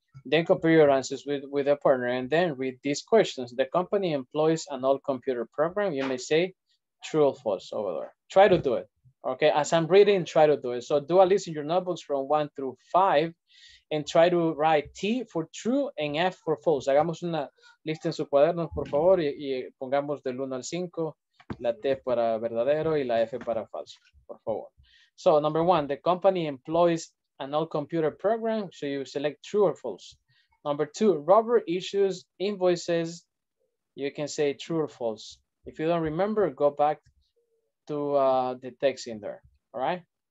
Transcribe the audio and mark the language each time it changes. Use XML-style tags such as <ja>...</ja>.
<en>Then compare your answers with a partner and then read these questions. The company employs an old computer program. You may say true or false over there. Try to do it, okay? As I'm reading, try to do it. So do a list in your notebooks from 1 through 5 and try to write T for true and F for false.</en> <es>Hagamos una lista en su cuaderno, por favor, y pongamos del 1 al 5, la T para verdadero y la F para falso, por favor.</es> <en>So number one, the company employs an old computer program. So you select true or false. Number two, Robert issues invoices. You can say true or false. If you don't remember, go back to the text in there. All right?</en>